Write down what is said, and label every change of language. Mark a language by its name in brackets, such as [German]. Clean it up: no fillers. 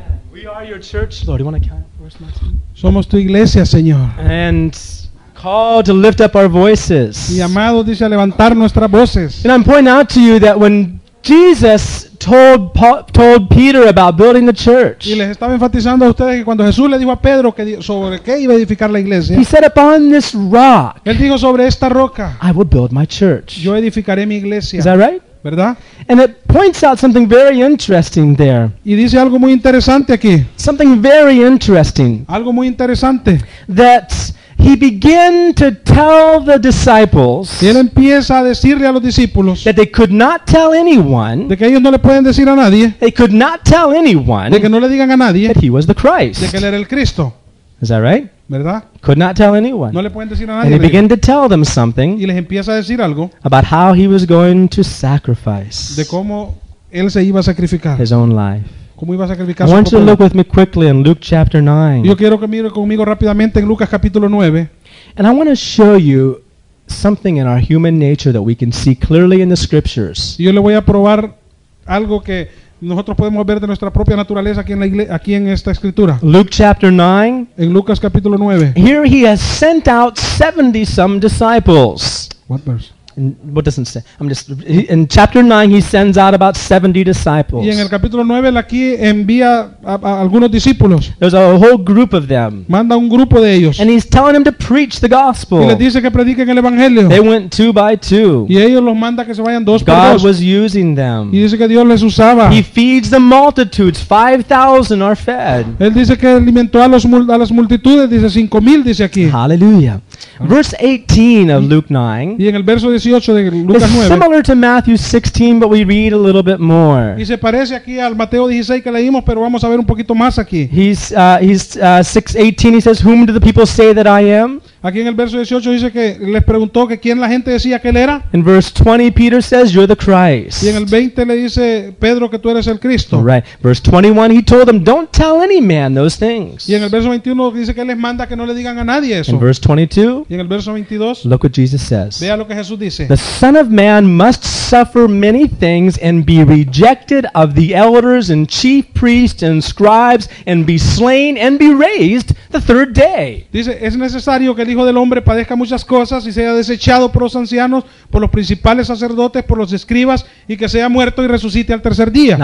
[English] We are your church, Lord. You want to count? Where's my [Spanish] team? Somos tu iglesia, Señor. [English] And called to lift up our voices. [Spanish] Llamado dice a levantar nuestras voces. [English] And I'm pointing out to you that when Jesus told Peter about building the church. [Spanish] Y les estaba enfatizando a ustedes que cuando Jesús le dijo a Pedro que sobre qué iba a edificar la iglesia. [English] He said upon this rock. [Spanish] Él dijo sobre esta roca. [English] I will build my church. [Spanish] Yo edificaré mi iglesia. [English] Is that right? [Spanish] ¿Verdad? [English] And it points out something very interesting there. [Spanish] Y dice algo muy interesante aquí. [English] Something very interesting. [Spanish] Algo muy interesante. [English] That he began to tell the disciples [Spanish] y él empieza a decirle a los discípulos [English] that they could not tell anyone, [Spanish] de que ellos no le pueden decir a nadie, [English] they could not tell anyone, [Spanish] de que no le digan a nadie, [English] that he was the Christ, [Spanish] de que él era el Cristo. [English] Is that right? [Spanish] ¿Verdad? [English] Could not tell anyone. [Spanish] No le pueden decir a nadie. [English] And he began to tell them something [Spanish] y les empieza a decir algo [English] about how he was going to sacrifice, [Spanish] de cómo él se iba a sacrificar, [English] his own life. [Spanish] ¿Cómo iba a sacrificar? [English] I want you to look with me quickly in Luke chapter 9. [Spanish] Yo quiero que mire conmigo rápidamente en Lucas capítulo 9. [English] And I want to show you something in our human nature that we can see clearly in the scriptures. [Spanish] Yo le voy a probar algo que nosotros podemos ver de nuestra propia naturaleza aquí en la iglesia, aquí en esta escritura. [English] Luke chapter 9. [Spanish] En Lucas capítulo 9. [English] Here he has sent out 70 some disciples. What verse? What doesn't say? I'm just in chapter 9 he sends out about 70 disciples. [Spanish] Y en el capítulo 9 él aquí envía a algunos discípulos. [English] There's a whole group of them. [Spanish] Manda un grupo de ellos. [English] And he's telling them to preach the gospel. [Spanish] Y les dice que prediquen el evangelio. [English] They went two by two. [Spanish] Y ellos los manda que se vayan dos por dos. [English] God was using them. [Spanish] Y dice que Dios les usaba. [English] He feeds the multitudes. 5,000 are fed. [Spanish] Él dice que alimentó a las multitudes, dice 5,000 dice aquí. [English] Hallelujah. Verse 18 of Luke 9. [Spanish] Y en el verso 18 de Lucas 9. [English] It's similar to Matthew 16, but we read a little bit more. [Spanish] Y se parece aquí al Mateo 16 que leímos, pero vamos a ver un poquito más aquí. [English] He's 6:18. He says, "Whom do the people say that I am?" [Spanish] Aquí en el verso 18 dice que les preguntó que quién la gente decía que él era. [English] In verse 20, Peter says, "You're the Christ." [Spanish] Y en el 20 le dice Pedro que tú eres el Cristo. [English] All right. Verse 21, he told them, "Don't tell any man those things." [Spanish] Y en el verso 21 dice que él les manda que no le digan a nadie eso. [English] In verse 22. [Spanish] Y en el verso 22. [English] Look what Jesus says. [Spanish] Vea lo que Jesús dice. [English] The Son of Man must suffer many things and be rejected of the elders and chief priests and scribes and be slain and be raised the third day. [Spanish] Dice, es necesario que el Hijo del Hombre padezca muchas cosas y sea desechado por los ancianos, por los principales sacerdotes, por los escribas y que sea muerto y resucite al tercer día.